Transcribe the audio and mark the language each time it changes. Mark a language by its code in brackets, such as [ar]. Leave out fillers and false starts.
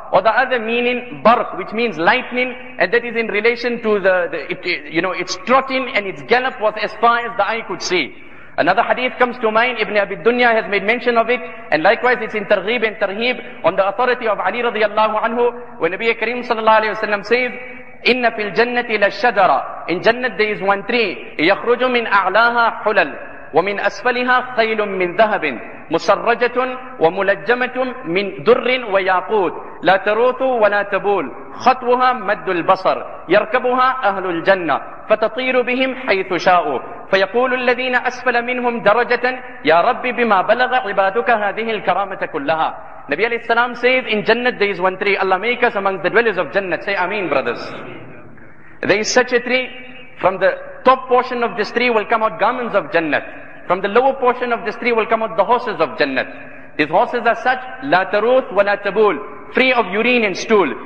[en] Or the other meaning barq, which means lightning, and that is in relation to its trotting and its gallop was as far as the eye could see. Another hadith comes to mind, Ibn Abi Dunya has made mention of it, and likewise it's in Targhib and Tarheeb on the authority of Ali radiallahu anhu, when Nabi Kareem sallallahu alayhi wa sallam says, [ar] إِنَّ فِي الْجَنَّةِ لَشَّدَرَ. [en] In Jannat there is one tree, [ar] يَخْرُجُ مِنْ أَعْلَاهَا حُلَلْ وَمِنْ أَسْفَلِهَا خَيْلٌ مِّنْ ذَهَبٍ مُسَرَّجَةٌ وَمُلَجَّمَةٌ مِّنْ دُرٍّ وَيَاقُوتٍ لَا تَرُوثُ وَلَا تَبُولُ خَطْوُهَا مَدُّ الْبَصَرِ يَرْكَبُهَا أَهْلُ الْجَنَّةِ فَتَطِيرُ بِهِمْ حَيْثُ شَاءُوا فَيَقُولُ الَّذِينَ أَسْفَلَ مِنْهُمْ دَرَجَةً يَا رَبِّ بِمَا بَلَغَ عِبَادُكَ هَذِهِ الْكَرَامَةَ كُلَّهَا. [en] Nabi alayhi salam says, in Jannat there is one tree. Allah make us amongst the dwellers of Jannat. Say Ameen, brothers. There is such a tree. From the top portion of this tree will come out garments of Jannat. From the lower portion of this tree will come out the horses of Jannat. These horses are such, [ar] لا تروث ولا تبول, [en] free of urine and stool.